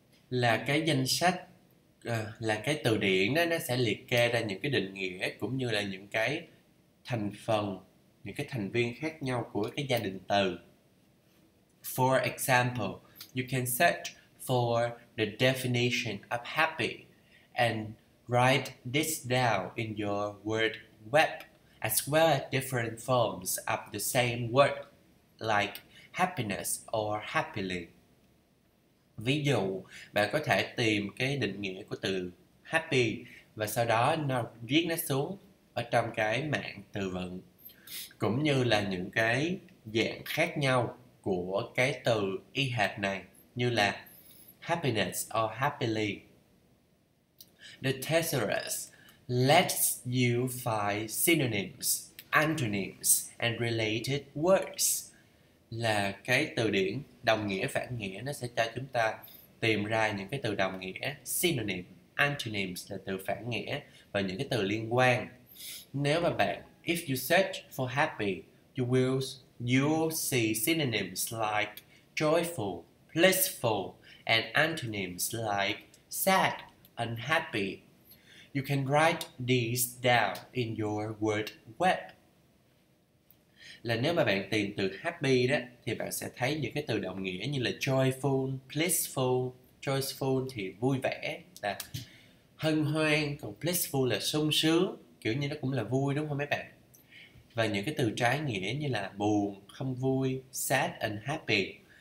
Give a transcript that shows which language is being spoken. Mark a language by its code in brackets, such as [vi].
[vi] Là cái danh sách, là cái từ điển đó, nó sẽ liệt kê ra những cái định nghĩa cũng như là những cái thành phần, những cái thành viên khác nhau của cái gia đình từ. [en] For example, you can search for the definition of happy and write this down in your word web, as well as different forms of the same word like happiness or happily. [vi] Ví dụ, bạn có thể tìm cái định nghĩa của từ happy và sau đó nó viết nó xuống ở trong cái mạng từ vựng, cũng như là những cái dạng khác nhau của cái từ y hệt này, như là [en] happiness or happily. The thesaurus lets you find synonyms, antonyms and related words. [vi] Là cái từ điển đồng nghĩa phản nghĩa, nó sẽ cho chúng ta tìm ra những cái từ đồng nghĩa, synonym, antonyms là từ phản nghĩa, và những cái từ liên quan. Nếu mà bạn, [en] if you search for happy, you will see synonyms like joyful, blissful, and antonyms like sad, unhappy. You can write these down in your word web. [vi] Là nếu mà bạn tìm từ happy đó, thì bạn sẽ thấy những cái từ đồng nghĩa như là joyful, blissful. Joyful thì vui vẻ, là hân hoan, còn blissful là sung sướng, kiểu như nó cũng là vui đúng không mấy bạn? Và những cái từ trái nghĩa như là buồn, không vui, sad, unhappy.